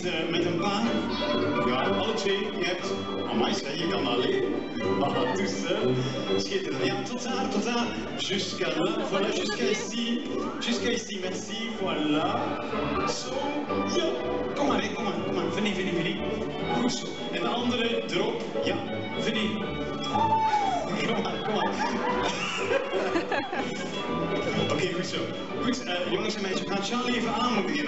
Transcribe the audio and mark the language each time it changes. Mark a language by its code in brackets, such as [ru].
[nl] Met een paar. Ja, alle twee. Je hebt. Amai, je kan alleen. [fr] Oh, tout seul. [nl] Schitterend. Ja, tot daar, tot daar. [fr] Jusqu'à là, voilà, jusqu'à ici. Jusqu'à ici, merci, voilà. [nl] Zo, ja. Kom maar, hè, kom maar, kom maar. [fr] Venez, venez, venez. [nl] Goed zo. En de andere, erop. Ja, [fr] venez. [nl] Kom maar, kom maar. Oké, goed zo. Goed, jongens en meisjes, we gaan Charlie even aanmoedigen.